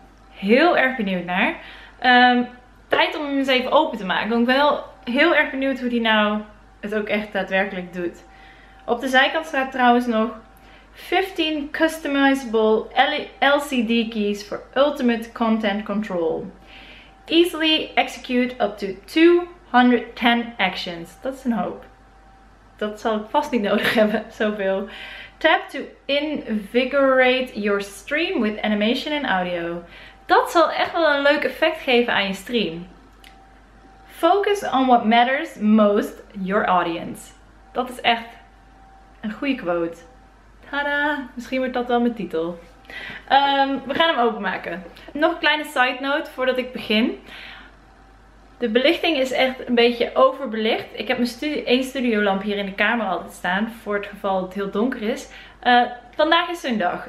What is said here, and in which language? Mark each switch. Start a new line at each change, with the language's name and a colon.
Dutch: Heel erg benieuwd naar. Tijd om hem eens even open te maken. Ik ben wel heel erg benieuwd hoe die nou het ook echt daadwerkelijk doet. Op de zijkant staat trouwens nog
English: 15 customizable LCD keys for ultimate content control. Easily execute up to 210 actions.
Dutch: Dat is een hoop. Dat zal ik vast niet nodig hebben, zoveel.
English: Tap to invigorate your stream
Dutch: with animation and audio. Dat zal echt wel een leuk effect geven aan je stream.
English: Focus on what matters most, your audience.
Dutch: Dat is echt een goede quote. Tada! Misschien wordt dat wel mijn titel. We gaan hem openmaken. Nog een kleine side note voordat ik begin. De belichting is echt een beetje overbelicht. Ik heb één studiolamp hier in de kamer altijd staan, voor het geval het heel donker is. Vandaag is een dag.